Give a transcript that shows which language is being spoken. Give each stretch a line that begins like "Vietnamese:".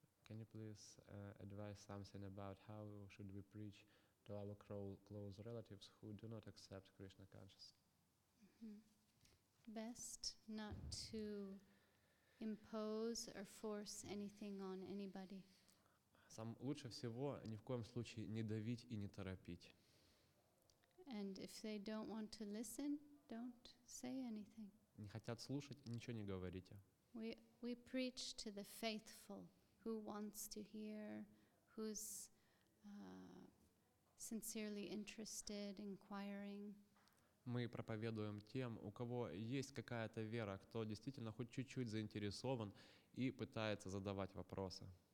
English: Can you please advise something about how should we preach to our close relatives who do not accept Krishna consciousness? Mm-hmm. Best not to impose or force anything on anybody.
Russian: Сам лучше всего ни в коем случае не давить и не торопить.
English: And if they don't want to listen, don't say anything.
Russian: Не хотят слушать, ничего не говорите.
English: We preach to the faithful. Who wants to hear, who's sincerely interested, inquiring.
Russian: Мы проповедуем тем, у кого есть какая-то вера, кто действительно хоть чуть-чуть заинтересован и пытается задавать вопросы.